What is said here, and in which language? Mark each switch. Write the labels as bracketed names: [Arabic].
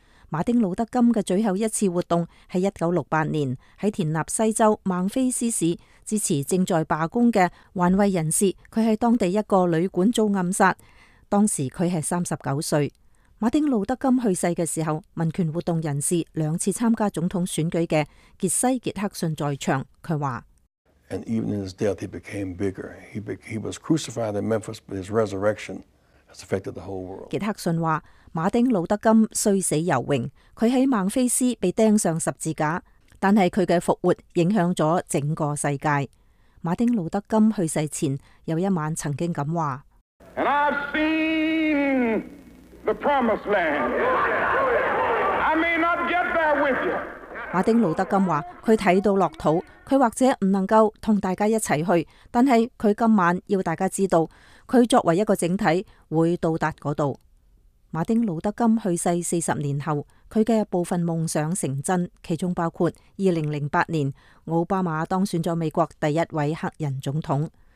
[Chinese] 马丁路德金的最后一次活动是1968年在田纳西州孟菲斯市支持正在罢工的环卫人士，他在当地一个旅馆遭暗杀，当时他是39岁。马丁路德金去世的时候，民权活动人士两次参加总统选举的杰西杰克逊在场，他说 [English] And even in his death, he became bigger. He was crucified in Memphis, but his resurrection has affected the whole world. [Chinese] 杰克逊说，马丁路德金虽死犹荣，他在孟菲斯被钉上十字架，但是他的复活影响了整个世界。马丁路德金去世前有一晚曾经这么说 [English] And I've seen... The promised land. I may not get there with you. [Chinese] 马丁路德金说，他看到骆驼，他或者不能够跟大家一起去，但是他今晚要大家知道，他作为一个整体会到达那里。马丁路德金去世40年后，他的部分梦想成真，其中包括2008年奥巴马当选了美国第一位黑人总统。